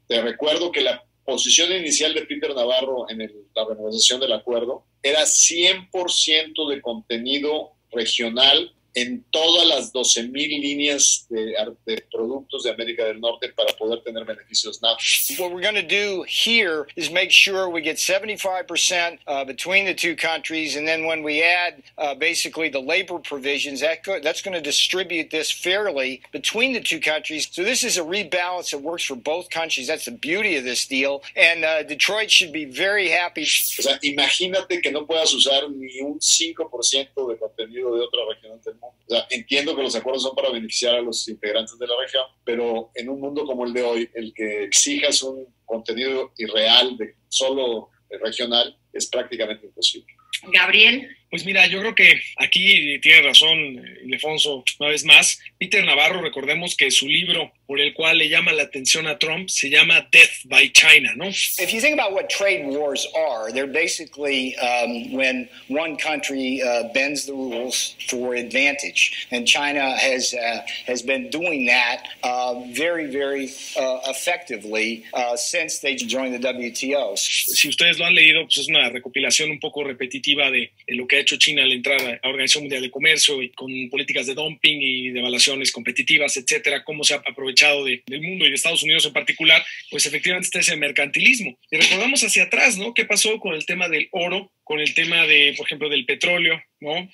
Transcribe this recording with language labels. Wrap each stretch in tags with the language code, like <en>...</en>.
<es>Te recuerdo que la posición inicial de Peter Navarro en la renegociación del acuerdo era 100% de contenido regional en todas las 12,000 líneas de productos de América del Norte para poder tener beneficios NAFTA.</es> <en>What we're going to do here is make sure we get 75% between the two countries, and then when we add basically the labor provisions, that's going to distribute this fairly between the two countries. So this is a rebalance that works for both countries. That's the beauty of this deal, and Detroit should be very happy.</en> <es>O sea, imagínate que no puedas usar ni un 5% de contenido de otra región. O sea, entiendo que los acuerdos son para beneficiar a los integrantes de la región, pero en un mundo como el de hoy, el que exijas un contenido irreal de solo regional es prácticamente imposible. Gabriel. Pues mira, yo creo que aquí tiene razón Ildefonso una vez más. Peter Navarro, recordemos que su libro por el cual le llama la atención a Trump se llama Death by China, ¿no?</es> <en>If you think about what trade wars are, they're basically when one country bends the rules for advantage. And China has been doing that very, very effectively since they joined the WTO.</en> <es>Si ustedes lo han leído, pues es una recopilación un poco repetitiva de lo que ha hecho China al entrar a la Organización Mundial de Comercio y con políticas de dumping y devaluaciones competitivas, etcétera, cómo se ha aprovechado del mundo y de Estados Unidos en particular, pues efectivamente está ese mercantilismo. Y recordamos hacia atrás, ¿no? ¿Qué pasó con el tema del oro, con el tema de, por ejemplo, del petróleo, ¿no?</es>